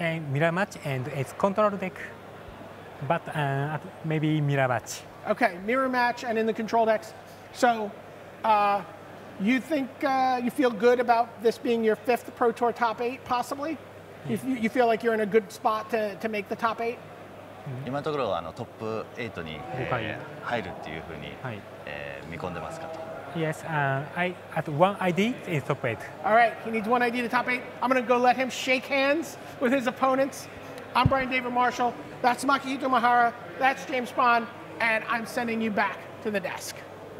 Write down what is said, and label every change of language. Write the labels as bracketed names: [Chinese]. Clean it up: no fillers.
[English] And Mirror Match, and it's control deck. But maybe Mirror Match. Okay, Mirror Match, and in the control decks. So you think you feel good about this being your 5th Pro Tour top 8, possibly? Yeah. You feel like you're in a good spot to make the top 8? [Japanese] 今のところはあのトップ8に、入るっていうふうに、見込んでますかと。 [English] Yes, I at one ID in top 8. All right, he needs one ID to top 8. I'm going to go let him shake hands with his opponents. I'm Brian David Marshall. That's Makihito Mihara. That's James Bond. And I'm sending you back to the desk.